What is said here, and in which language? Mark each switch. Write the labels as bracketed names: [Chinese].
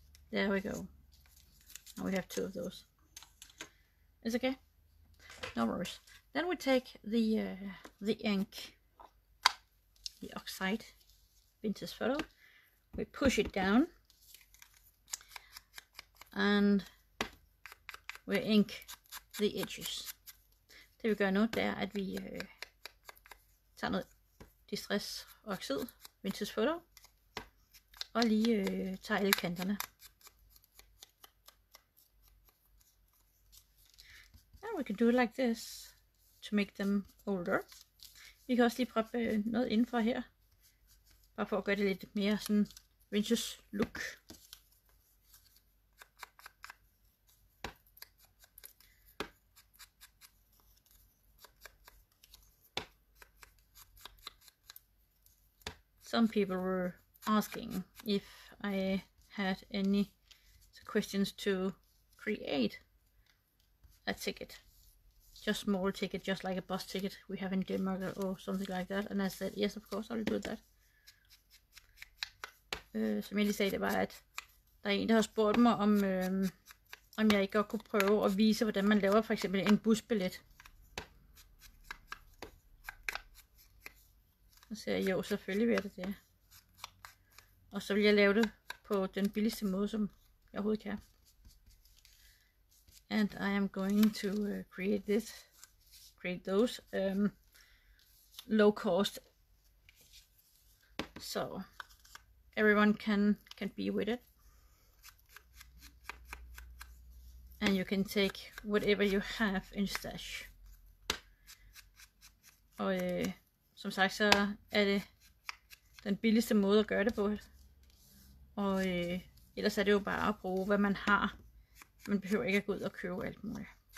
[English] There we go. Now we have two of those. It's okay. No worries. Then we take the ink, the oxide, Vintage Photo. We push it down, and we ink the edges. [Danish] Det vi gør nu, det er, at vi tager noget Distress Oxid, Vintage Photo, og lige tager alle kanterne. [English] And we can do it like this to make them older. [Danish] Vi kan også lige proppe noget indenfor her. Bare for at gøre det lidt mere sådan vintage look. [English] Some people were asking if I had any questions to create a ticket. Just small ticket, just like a bus ticket we have in Denmark or something like that. And I said, yes, of course, I will do that. [Danish] Som jeg lige sagde, det var, at der er en, der har spurgt mig, om jeg ikke godt kunne prøve at vise, hvordan man laver for eksempel en busbillet. Så siger jeg, jo, selvfølgelig vil det. Og så vil jeg lave det på den billigste måde, som jeg overhovedet kan. [English] And I am going to create those low cost, so everyone can be with it, and you can take whatever you have in stash. [Danish] Og som sagt, så er det den billigste måde at gøre det på, og ellers er det jo bare at bruge, hvad man har. Man behøver ikke at gå ud og købe alt muligt.